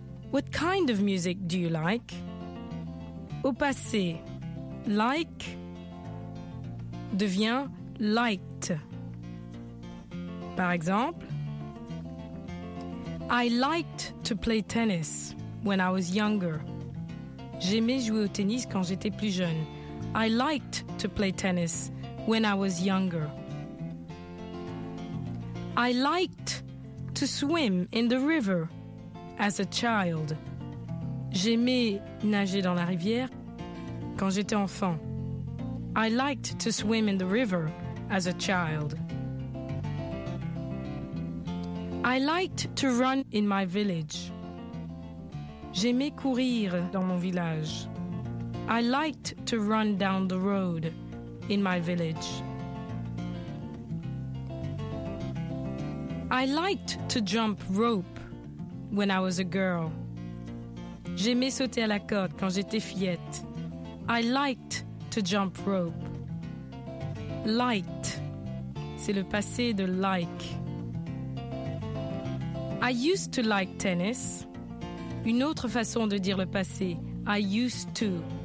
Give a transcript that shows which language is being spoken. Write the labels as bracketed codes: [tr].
[en] What kind of music do you like? [fr] Au passé, like devient liked. Par exemple, [en] I liked to play tennis when I was younger. [fr] J'aimais jouer au tennis quand j'étais plus jeune. [en] I liked to play tennis when I was younger. I liked to swim in the river as a child. [fr] J'aimais nager dans la rivière quand j'étais enfant. [en] I liked to swim in the river as a child. I liked to run in my village. [fr] J'aimais courir dans mon village. [en] I liked to run down the road in my village. I liked to jump rope when I was a girl. [fr] J'aimais sauter à la corde quand j'étais fillette. [en] I liked to jump rope. [fr] Liked, c'est le passé de like. [en] I used to like tennis. [fr] Une autre façon de dire le passé, [en] I used to.